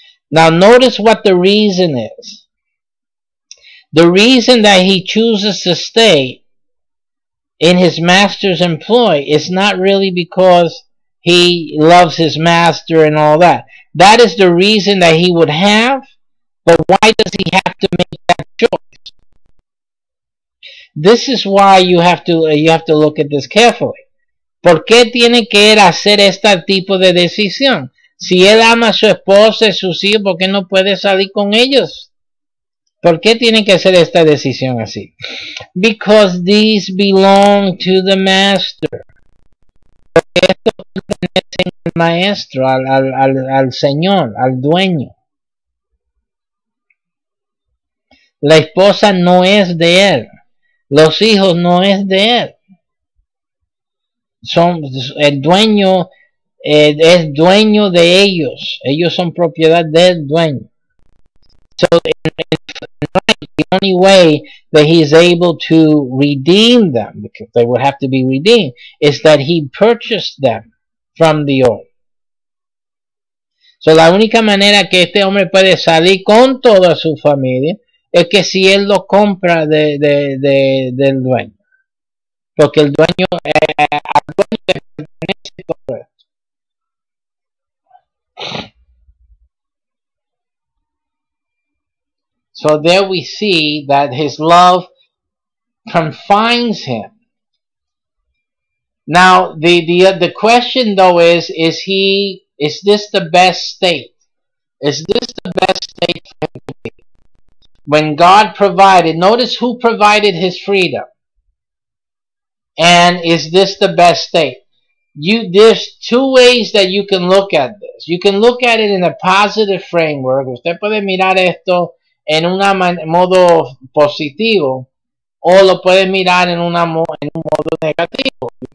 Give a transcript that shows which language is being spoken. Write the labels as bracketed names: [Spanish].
[English] Now notice what the reason is. The reason that he chooses to stay in his master's employ is not really because he loves his master and all that. That is the reason that he would have, but why does he have to make that choice? This is why you have to look at this carefully. [Spanish] ¿Por qué tiene que él hacer este tipo de decisión? Si él ama a su esposa y sus hijos, ¿por qué no puede salir con ellos? ¿Por qué tiene que hacer esta decisión así? [English] Because these belong to the master. [Spanish] Porque estos pertenecen al maestro, al señor, al dueño. La esposa no es de él. Los hijos no es de él. Son el dueño, es dueño de ellos. Ellos son propiedad del dueño. [English] So, the only way that he is able to redeem them, because they would have to be redeemed, is that he purchased them from the old. [Spanish] So, la única manera que este hombre puede salir con toda su familia es que si él lo compra del dueño. Porque el dueño pertenece todo esto. [English] So there we see that his love confines him. Now the question though is this the best state? Is this the best state for him to be? When God provided, notice who provided his freedom. And is this the best state? There's two ways that you can look at this. You can look at it in a positive framework. [Spanish] Usted puede mirar esto en un modo positivo, o lo puede mirar en un modo negativo.